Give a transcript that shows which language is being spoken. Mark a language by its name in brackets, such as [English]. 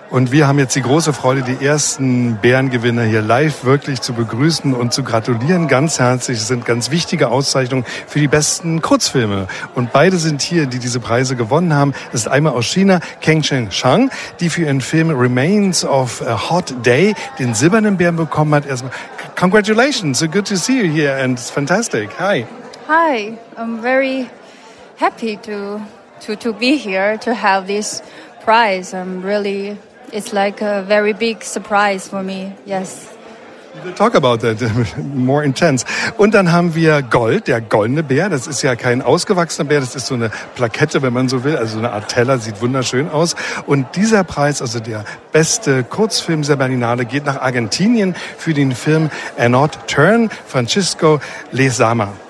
[German] Und wir haben jetzt die große Freude, die ersten Bärengewinner hier live wirklich zu begrüßen und zu gratulieren. Ganz herzlich, es sind ganz wichtige Auszeichnungen für die besten Kurzfilme. Und beide sind hier, die diese Preise gewonnen haben. Das ist einmal aus China, Kang Cheng Shang, die für ihren Film Remains of a Hot Day den silbernen Bären bekommen hat. [English] Erstmal, congratulations, so good to see you here and it's fantastic. Hi. Hi, I'm very happy to be here, to have this prize. I'm really... It's like a very big surprise for me, yes. We'll talk about that more intense. [German] Und dann haben wir Gold, der goldene Bär. Das ist ja kein ausgewachsener Bär, das ist so eine Plakette, wenn man so will. Also eine Art Teller, sieht wunderschön aus. Und dieser Preis, also der beste Kurzfilm der Berlinale, geht nach Argentinien für den Film An Odd Turn, Francisco Lezama.